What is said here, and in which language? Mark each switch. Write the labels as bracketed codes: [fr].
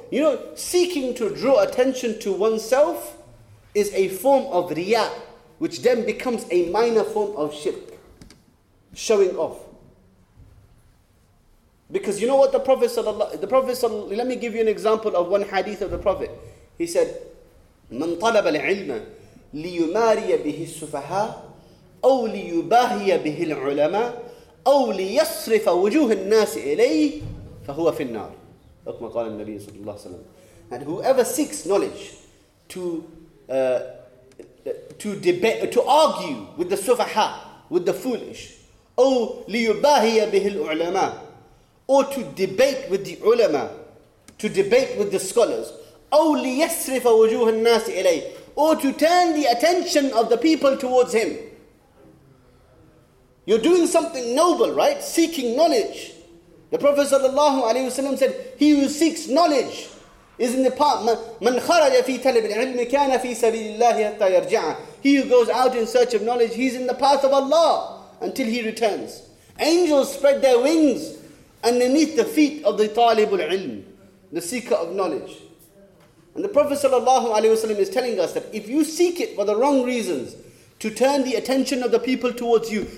[en] You know, seeking to draw attention to oneself is a form of riya, which then becomes a minor form of shirk. Showing off. Because you know what the Prophet, let me give you an example of one hadith of the Prophet. [ar] He said, مَنْ طَلَبَ الْعِلْمَ لِيُمَارِيَ بِهِ السُّفَهَاءُ أَوْ لِيُبَاهِيَ بِهِ الْعُلَمَاءُ أو ليصرف وجوه الناس إليه فهو في النار. كما قال النبي صلى الله عليه وسلم. [en] And whoever seeks knowledge to argue with the sufaha, with the foolish, [ar] أو ليباهي به العلماء, [en] or to debate with the ulama, to debate with the scholars, [ar] أو ليصرف وجوه الناس إليه, [en] or to turn the attention of the people towards him. You're doing something noble, right? Seeking knowledge. The Prophet sallallahu alaihi wasallam said, he who seeks knowledge is in the path. [ar] من خرج في طلب العلم كان في سبيل الله حتى يرجع. [en] He who goes out in search of knowledge, he's in the path of Allah until he returns. Angels spread their wings underneath the feet of the talib al-ilm, the seeker of knowledge. And the Prophet sallallahu alaihi wasallam is telling us that if you seek it for the wrong reasons, to turn the attention of the people towards you.